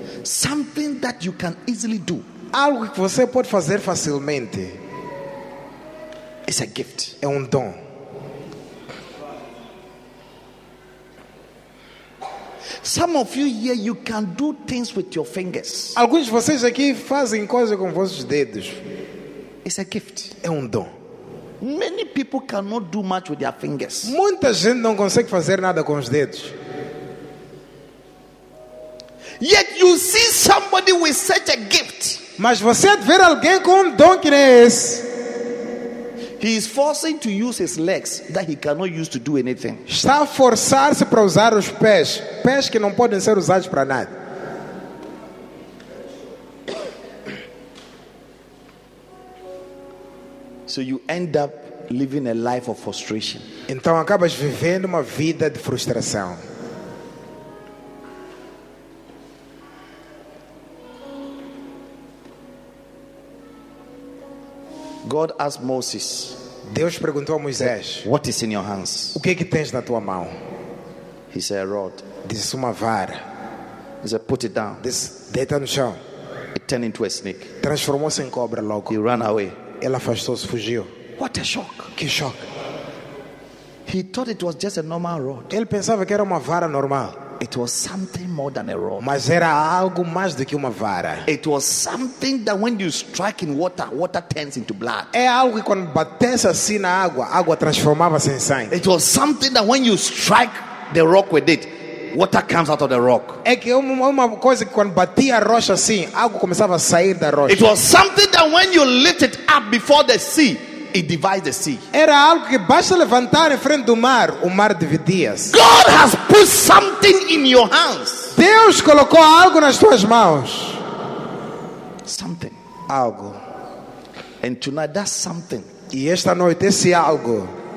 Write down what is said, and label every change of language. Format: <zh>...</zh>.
<en>Something that you can easily do.</en> <pt>Algo que você pode fazer facilmente.</pt> <en>It's a gift.</en> <pt>É dom.</pt> <en>Some of you here, you can do things with your fingers.</en> <pt>Alguns de vocês aqui fazem coisas com vossos dedos.</pt> <en>It's a gift.</en> <pt>É dom.</pt> <en>Many people cannot do much with their fingers.</en> <pt>Muita gente não consegue fazer nada com os dedos.</pt> <en>Yet you see somebody with such a gift.</en> <pt>Mas você é de ver alguém com dom que nem esse.</pt> <en>He is forcing to use his legs that he cannot use to do anything.</en> <pt>Está a forçar-se para usar os pés, pés que não podem ser usados para nada.</pt> <en>So you end up living a life of frustration.</en> <pt>Então acabas vivendo uma vida de frustração.</pt> <en>God asked Moses.</en> <pt>Deus perguntou a Moisés.</pt> <en>What is in your hands?</en> <pt>O que é que tens na tua mão?</pt> <en>He said a rod.</en> <pt>Disse uma vara.</pt> <en>He said put it down.</en> <pt>Disse deita no chão.</pt> <en>It turned into a snake.</en> <pt>Transformou-se em cobra logo.</pt> <en>He ran away.</en> <pt>Ela afastou-se, fugiu.</pt> <en>What a shock.</en> <pt>Que shock.</pt> <en>He thought it was just a normal rod.</en> <pt>Ele pensava que era uma vara normal.</pt> <en>It was something more than a rod.</en> <pt>Mas era algo mais do que uma vara.</pt> <en>It was something that when you strike in water, water turns into blood.</en> <pt>É algo que quando batesse assim na água, água transformava-se em sangue.</pt> <en>It was something that when you strike the rock with it, water comes out of the rock.</en> <pt>É que uma coisa que quando batia a rocha assim, água começava a sair da rocha.</pt> <en>It was something that when you lift it up before the sea, it divides the sea.</en> <pt>Era algo que basta levantar em frente do mar, o mar dividia-se.</pt> <en>God has put something in your hands.</en> <pt>Deus colocou algo nas tuas mãos.</pt> <en>Something.</en> <pt>Algo.</pt> <en>And tonight that something.</en> <pt>E esta noite esse algo</pt>